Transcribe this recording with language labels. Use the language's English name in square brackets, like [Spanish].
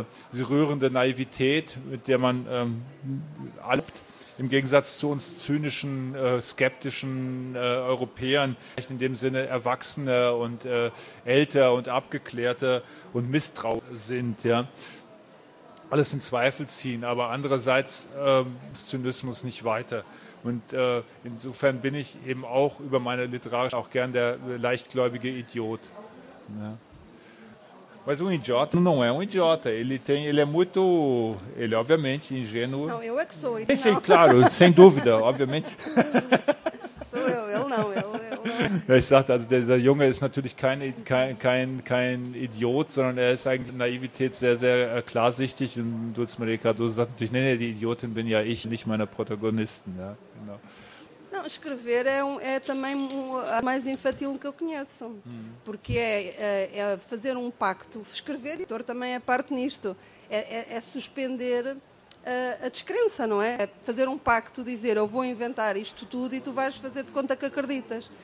[German] diese rührende Naivität, mit der man albt, im Gegensatz zu uns zynischen, skeptischen Europäern, in dem Sinne erwachsener und älter und abgeklärter und misstrauisch sind, ja, alles in Zweifel ziehen, aber andererseits Zynismus nicht weiter. Und insofern bin ich eben auch über meine Literarisch auch gern der leichtgläubige Idiot. Ja. [Portuguese] Mas um idiota não é um idiota, ele é muito, ele é obviamente ingênuo. Não, eu é que sou. Sim, sim, claro, sem dúvida, obviamente. Sou eu, ele não, ele. [German] Ich sagte, also dieser Junge ist natürlich kein Idiot, sondern er ist eigentlich Naivität sehr, sehr klarsichtig. Und Dulce Maria Cardoso sagt natürlich, nee, die Idiotin bin ja ich, nicht meine Protagonisten. Ja, genau. [Portuguese] Não, escrever é também a mais infantil que eu conheço, porque é fazer um pacto. Escrever, editor, também é parte nisto, é suspender a descrença, não é? É fazer um pacto, dizer, eu vou inventar isto tudo e tu vais fazer de conta que acreditas.